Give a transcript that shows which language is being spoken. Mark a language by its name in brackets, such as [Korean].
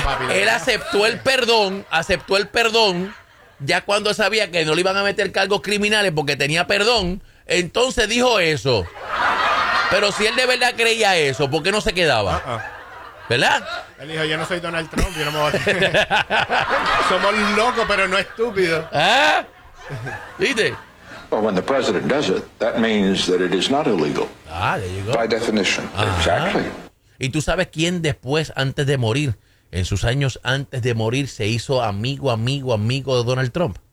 [Spanish] Él aceptó el perdón ya cuando sabía que no le iban a meter cargos criminales porque tenía perdón, entonces dijo eso. Pero si él de verdad creía eso, ¿por qué no se quedaba? Uh-uh. ¿Verdad? Él dijo, yo no soy Donald Trump, yo no me voy a tener. Somos locos, pero no estúpidos. ¿Ah? ¿Viste? [English] Well, when the president does it, that means that it is not illegal. Ah, there you go. By definition. Uh-huh. Exactly. [Spanish] ¿Y tú sabes quién después, antes de morir, en sus años antes de morir, se hizo amigo de Donald Trump?